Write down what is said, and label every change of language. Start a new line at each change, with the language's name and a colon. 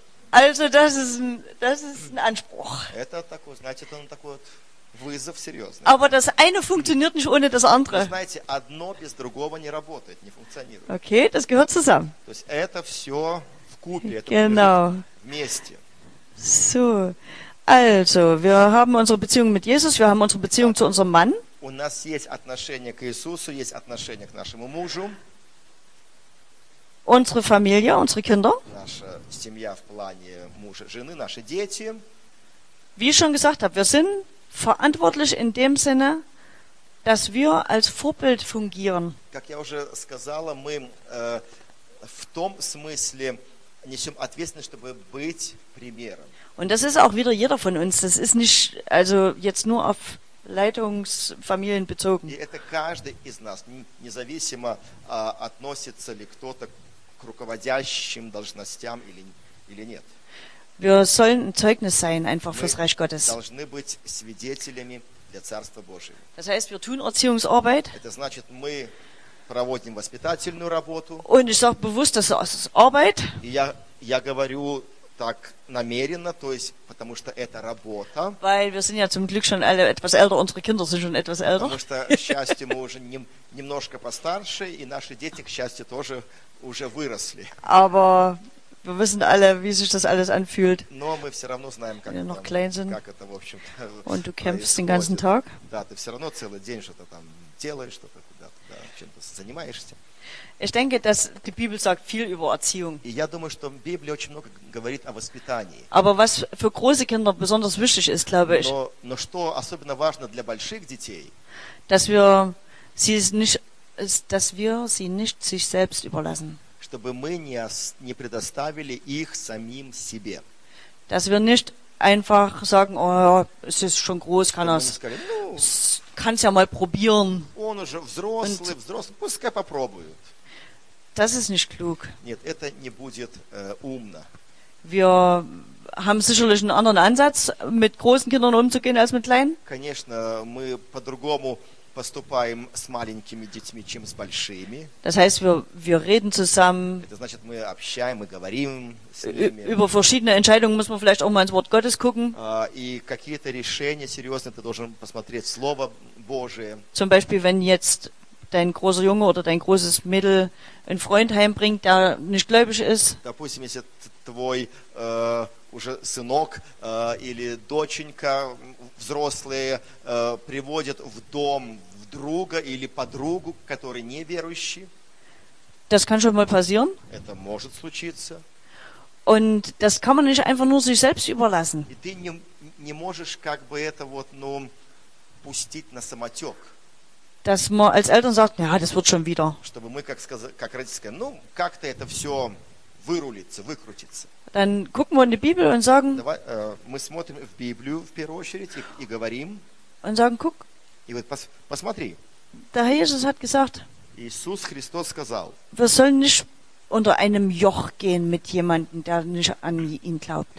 German: Also, das ist ein Anspruch.
Russian: Это такой, значит, он такой вот вызов серьезный.
German: Aber das eine funktioniert nicht ohne das andere.
Russian: Вы знаете, одно без другого не работает, не функционирует.
German: Okay, das gehört zusammen.
Russian: То есть это все вкупе, это
German: genau.
Russian: Вместе.
German: So, also, wir haben unsere Beziehung mit Jesus, wir haben unsere Beziehung zu unserem Mann.
Russian: У нас есть отношение к Иисусу, есть отношение к нашему мужу.
German: Unsere Familie, unsere Kinder.
Russian: Наша семья в плане мужа, жены, наши дети.
German: Wie ich schon gesagt habe, wir sind verantwortlich in dem Sinne, dass wir als Vorbild fungieren.
Russian: Как я уже сказала, мы в том смысле несем ответственность, чтобы быть примером.
German: Und das ist auch wieder jeder von uns. Das ist nicht also jetzt nur auf Leitungsfamilien bezogen.
Russian: И это каждый из нас, независимо относится ли кто-то к руководящим должностям или нет.
German: Wir sollen ein Zeugnis sein, einfach fürs Reich Gottes. Wir
Russian: должны быть свидетелями для Царства Божьего.
German: Das heißt, wir tun Erziehungsarbeit.
Russian: Это значит, мы проводим воспитательную работу.
German: Und ich sage bewusst, das ist Arbeit.
Russian: Я говорю так намеренно, то есть, потому что это работа.
German: Weil wir sind ja zum Glück schon alle etwas älter, unsere Kinder sind schon etwas älter.
Russian: Потому что, к счастью, мы уже немножко постарше, и наши дети, к счастью, тоже уже выросли.
German: Aber wir wissen alle, wie sich das alles anfühlt.
Russian: Но мы все равно знаем, как
German: noch klein sind.
Russian: Как это, в общем,
German: und du kämpfst den ganzen Tag.
Russian: Да, ты все равно целый день что-то там делаешь, что-то куда-то, да, чем-то занимаешься.
German: Ich denke, dass die Bibel sagt viel über Erziehung.
Russian: И я думаю, что Библия очень много говорит о воспитании.
German: Aber was für große Kinder besonders wichtig ist, glaube ich.
Russian: Но что особенно важно для больших детей?
German: Dass wir sie nicht sich selbst überlassen.
Russian: Чтобы мы не предоставили их самим себе.
German: Dass wir nicht einfach sagen, oh, es ist schon groß, kann es. Kannst ja mal probieren.
Russian: Он уже взрослый, взрослый, пускай попробуют.
German: Das ist nicht klug.
Russian: Нет, это не будет умно.
German: Wir haben sicherlich einen anderen Ansatz, mit großen Kindern umzugehen als mit kleinen.
Russian: Конечно, мы по-другому поступаем с маленькими детьми, чем с большими.
German: Das heißt, wir reden zusammen.
Russian: Это значит, мы общаемся, мы говорим с ними.
German: Über verschiedene Entscheidungen muss man vielleicht auch mal ins Wort Gottes gucken.
Russian: И какие-то решения серьезные ты должен посмотреть Слово Божие.
German: Zum Beispiel, wenn jetzt dein großer Junge oder dein großes Mädel einen Freund heimbringt, der nicht gläubig ist.
Russian: Допустим, если твой уже сынок или доченька взрослые приводят в дом друга или подругу, который неверующий.
German: Das kann schon mal passieren.
Russian: Это может случиться.
German: Und das kann man nicht einfach nur sich selbst überlassen.
Russian: И ты не можешь как бы это вот, ну, пустить на самотек.
German: Dass man als Eltern sagt, ja, das wird schon wieder.
Russian: Чтобы мы как родители сказали, ну, как-то это все вырулится, выкрутится.
German: Dann gucken wir in die Bibel und sagen,
Russian: давай, мы смотрим в Библию в первую очередь и говорим.
German: Und sagen, guck.
Russian: И вот посмотри.
German: Der Herr Jesus hat gesagt,
Russian: Иисус Христос сказал,
German: wir sollen nicht unter einem Joch gehen mit jemandem, der nicht an ihn glaubt.